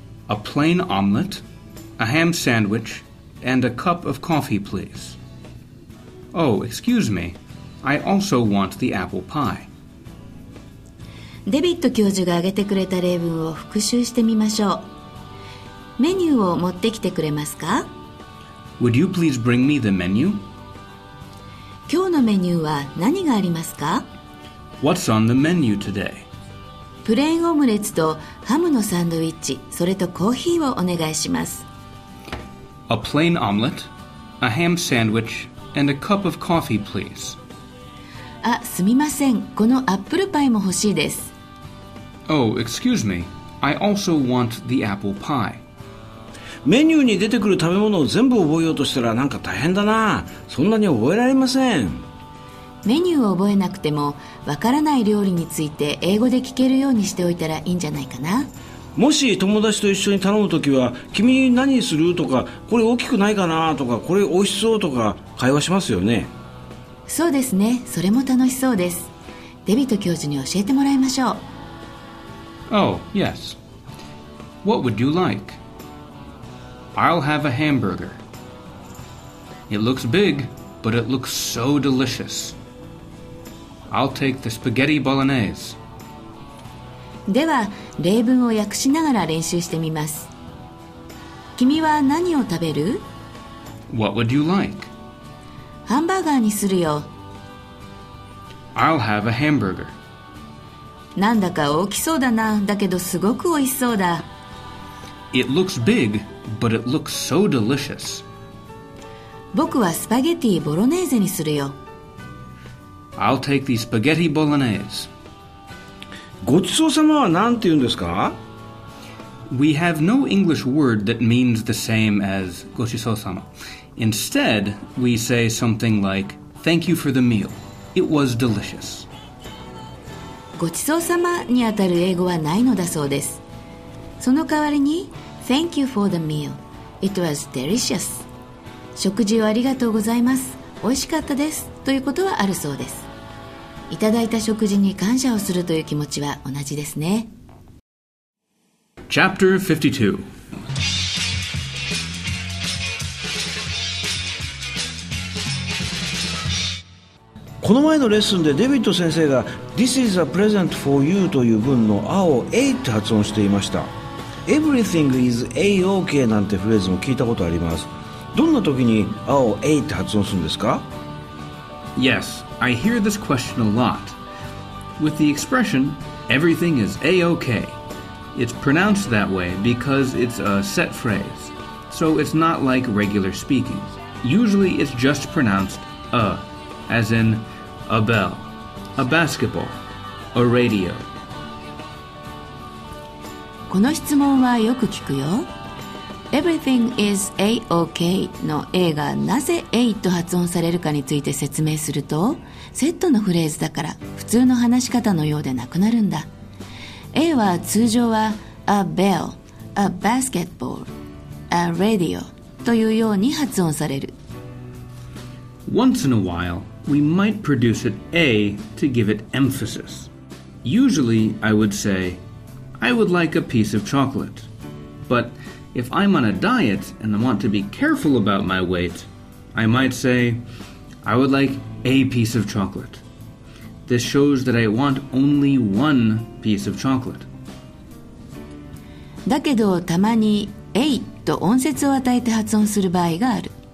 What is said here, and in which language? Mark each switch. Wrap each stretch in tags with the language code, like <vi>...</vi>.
<en>A plain omelette, a ham sandwich, and a cup of coffee, please. Oh, excuse me. I also want the apple pie.</en> <ja>デビッド教授が挙げてくれた例文を復習してみましょう。メニューを持ってきてくれますか?</ja> <en>Would you please bring me the menu?</en> <ja>今日のメニューは何がありますか?</ja> <en>What's on the menu today?</en> <ja>プレーンオムレツとハムのサンドイッチ、それとコーヒーをお願いします。</ja> <en>A plain omelette, a ham sandwich, and a cup of coffee, please.</en> <ja>あ、すみません。このアップルパイも欲しいです。</ja> <en>Oh, excuse me. I also want the apple pie.</en> <ja>メニューに出てくる食べ物を全部覚えようとしたらなんか大変だな。そんなに覚えられません。メニューを覚えなくても、わからない料理について英語で聞けるようにしておいたらいいんじゃないかな。もし友達と一緒に頼むときは、君何するとか、これ大きくないかなとか、これ美味しそうとか会話しますよね。そうですね、それも楽しそうです。デビット教授に教えてもらいましょう。</ja> <en>Oh, yes. What would you like? I'll have a hamburger. It looks big, but it looks so delicious. I'll take the spaghetti bolognese.</en> <ja>では、例文を訳しながら練習してみます。君は何を食べる?</ja> <en>What would you like?</en> <ja>ハンバーガーにするよ。</ja> <en>I'll have a hamburger.</en> <ja>なんだか大きそうだな。だけどすごく美味しそうだ。</ja> <en>It looks big, but it looks so delicious.</en> <ja>僕はスパゲティボロネーゼにするよ。</ja> <en>I'll take the spaghetti bolognese.</en> <ja>ごちそうさまはなんて言うんですか？</ja> <en>We have no English word that means the same as ごちそうさま。 Instead, we say something like, thank you for the meal. It was delicious.</en> <ja>ごちそうさまにあたる英語はないのだそうです。その代わりに、</ja> <en>thank you for the meal. It was delicious.</en> <ja>食事をありがとうございます。美味しかったです。ということはあるそうです。いただいた食事に感謝をするという気持ちは同じですね。</ja> <en>Chapter 52.</en> <ja>この前のレッスンでデビッド先生が</ja> <en>This is a present for you</en> <ja>という文の A を A って発音していました。</ja> <en>Everything is A-OK</en> <ja>なんてフレーズも聞いたことあります。どんな時に A を A って発音するんですか？</ja> <en>Yes, I hear this question a lot. With the expression, everything is A-OK. It's pronounced that way because it's a set phrase. So it's not like regular speaking. Usually it's just pronounced A, as in a bell, a basketball, a radio.</en> <ja>この質問はよく聞くよ。</ja> <en>Everything is A-OK</en> <ja>の A がなぜ A と発音されるかについて説明すると、セットのフレーズだから普通の話し方のようでなくなるんだ。 A は通常は</ja> <en>A bell, A basketball, A radio</en> <ja>というように発音される。</ja> <en>Once in a while, we might produce it A to give it emphasis. Usually, I would sayI would like a piece of chocolate. But if I'm on a diet and I want to be careful about my weight, I might say, I would like a piece of chocolate. This shows that I want only one piece of chocolate.</en> <ja>だけどたまに A と音節を与えて発音する場合がある。</ja>